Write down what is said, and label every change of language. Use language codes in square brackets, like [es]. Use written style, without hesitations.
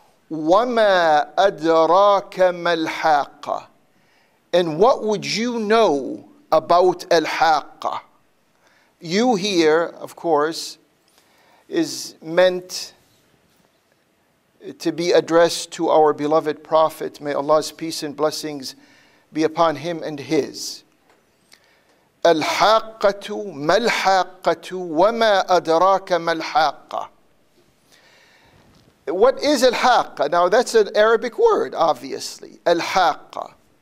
[ar] وَمَا أَدْرَاكَ مَلْحَاقَّةِ [en] And what would you know about الْحَاقَّةِ? You here, of course, is meant to be addressed to our beloved Prophet. May Allah's peace and blessings be upon him and his. [ar] الْحَاقَّةُ مَلْحَاقَّةُ وَمَا أَدْرَاكَ مَلْحَاقَّةِ [en] What is al-haqqah? Now that's an Arabic word, obviously. Al-haqqah.